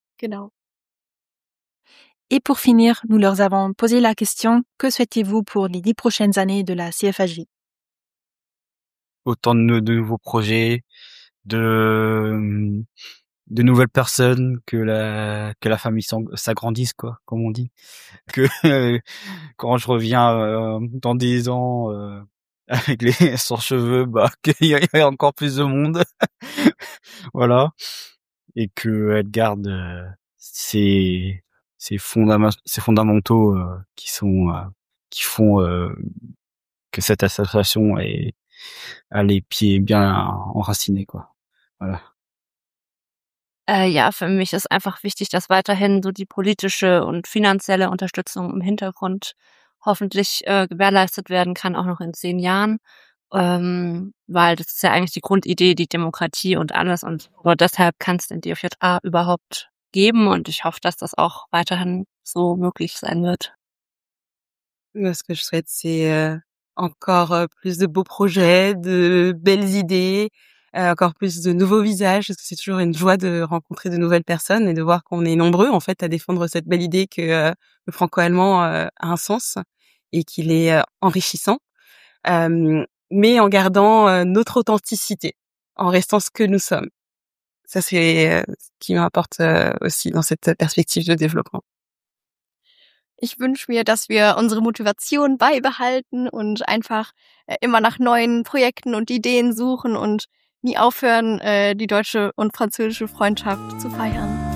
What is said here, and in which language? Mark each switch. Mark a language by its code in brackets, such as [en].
[de] Genau. [fr] Et pour finir, nous leur avons posé la question, que souhaitez-vous pour les 10 prochaines années de la CFAJ? Autant de nouveaux projets, de nouvelles personnes, que la famille s'agrandisse, quoi, comme on dit. Que quand je reviens dans 10 ans avec les sans cheveux, bah, qu'il y ait encore plus de monde. Voilà. Et que elle garde ses fondamentaux qui font que cette association a les pieds bien enracinés, quoi. Voilà. [de] Ja, für mich ist einfach wichtig, dass weiterhin so die politische und finanzielle Unterstützung im Hintergrund hoffentlich gewährleistet werden kann, auch noch in 10 Jahren, weil das ist ja eigentlich die Grundidee, die Demokratie und alles, und nur deshalb kann es den DFJA überhaupt geben und ich hoffe, dass das auch weiterhin so möglich sein wird. Was ich [fr] souhaite, c'est encore plus de beaux projets, de belles idées, encore plus de nouveaux visages, parce que c'est toujours une joie de rencontrer de nouvelles personnes et de voir qu'on est nombreux, en fait, à défendre cette belle idée que le franco-allemand a un sens et qu'il est enrichissant, mais en gardant notre authenticité, en restant ce que nous sommes. Ça, c'est ce qui m'importe aussi dans cette perspective de développement. [de] Ich wünsche mir, dass wir unsere Motivation beibehalten und einfach immer nach neuen Projekten und Ideen suchen und nie aufhören, die deutsche und französische Freundschaft zu feiern.